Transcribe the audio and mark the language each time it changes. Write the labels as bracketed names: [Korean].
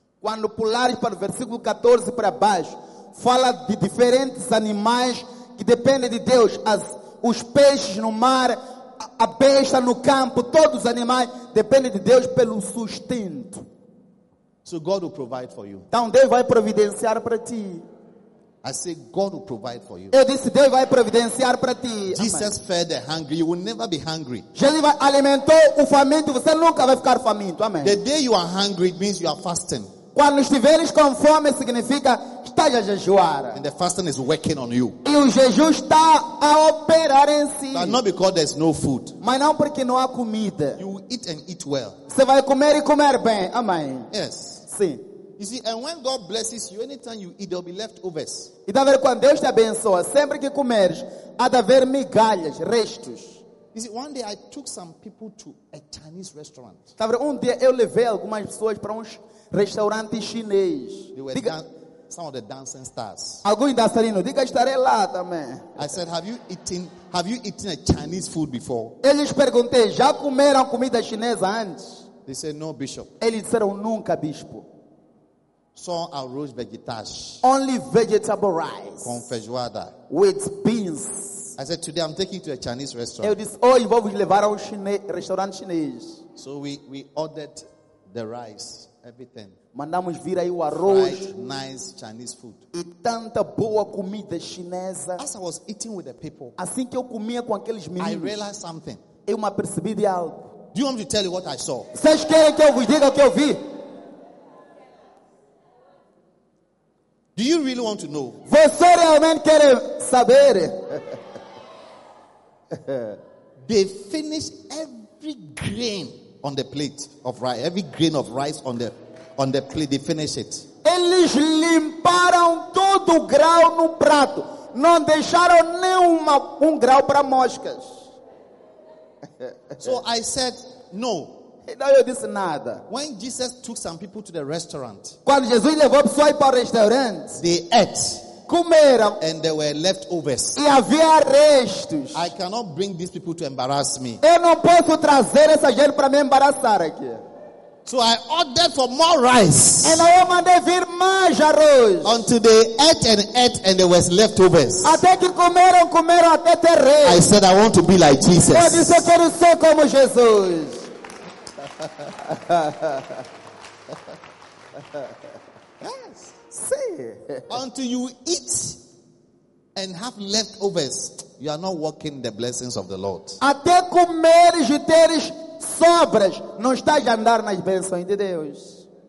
[Portuguese] Quando pulares para o versículo 14 para baixo, fala de diferentes animais que depende de Deus, os peixes no mar, a besta no campo, todos os animais dependem de Deus pelo sustento. [English] So God will provide for you. [Portuguese] Então Deus vai providenciar para ti. [English] I say God will provide for you. [Portuguese] Eu disse Deus vai providenciar para ti. [English] Jesus fed the hungry, you will never be hungry. [Portuguese] Jesus alimentou o faminto, você nunca vai ficar faminto. Amém. [English] The day you are hungry it means you are fasting. [Portuguese] Quando estiveres com fome significa estás a jejuar. [English] And the fasting is working on you. [Portuguese] E o jejum está a operar em si. [English] But not because there's no food. [Portuguese] Mas não porque não há comida. [English] You eat and eat well. [Portuguese] Você vai comer e comer bem. Amém. [English] Yes. [Portuguese] Sim. [English] You see, and when God blesses you, anytime you eat, there'll be leftovers. [Portuguese] E dá ver quando Deus te abençoa, sempre que comeres, há de haver migalhas, restos. [English] You see, one day I took some people to a Chinese restaurant. [Portuguese] Tá vendo? Um dia eu levei algumas pessoas para restaurante chinês. [English] Some of the dancing stars. [Portuguese] Alguns dançarinos. Diga, estarei lá também. [English] I said, have you eaten a Chinese food before? [Portuguese] Eles perguntei, já comeram comida chinesa antes? [English] They said, no, bishop. [Portuguese] Eles disseram, nunca, bispo. Só arroz vegetais. [English] Only vegetable rice. [Portuguese] Com feijoada. [English] With beans. I said, today I'm taking you to a Chinese restaurant. [Portuguese] Eu disse, hoje vou vos levar a restaurante chinês. [English] So we ordered the rice. Everything. [Portuguese] Mandamos vir aí o arroz. [English] Nice Chinese food. [Portuguese] E tanta boa comida chinesa. [English] As I was eating with the people, [Portuguese] assim que eu comia com aqueles meninos, [English] I realized something. [Portuguese] Eu me apercebi de algo. [English] Do you want me to tell you what I saw? [Portuguese] Vocês querem que eu vos diga o que eu vi? [English] Do you really want to know? [Portuguese] Você realmente quer saber? [English] They finish every grain on the plate of rice, every grain of rice on the plate, they finish it. [Portuguese] Eles limparam todo o grão no prato, não deixaram nenhuma grão para moscas. [English] So I said, no, [Portuguese] Então eu disse nada. [English] When Jesus took some people to the restaurant, [Portuguese] quando Jesus levou pessoas para o restaurante, [English] they ate, [Portuguese] comeram, [English] and there were leftovers. [Portuguese] E havia restos. [English] I cannot bring these people to embarrass me. [Portuguese] Eu não posso trazer essa gente para me embaraçar aqui. [English] So I ordered for more rice. And I [Portuguese] mandei vir mais arroz. [English] Until they ate and ate and there was leftovers. [Portuguese] Até que comeram, comeram até ter resto. [English] I said I want to be like Jesus. [Portuguese] Eu disse, eu quero ser como Jesus. [English] Yes. See. Until you eat and have leftovers, you are not walking the blessings of the Lord. [Portuguese] Até comeres e teres sobras, não estás a andar nas bênçãos de Deus.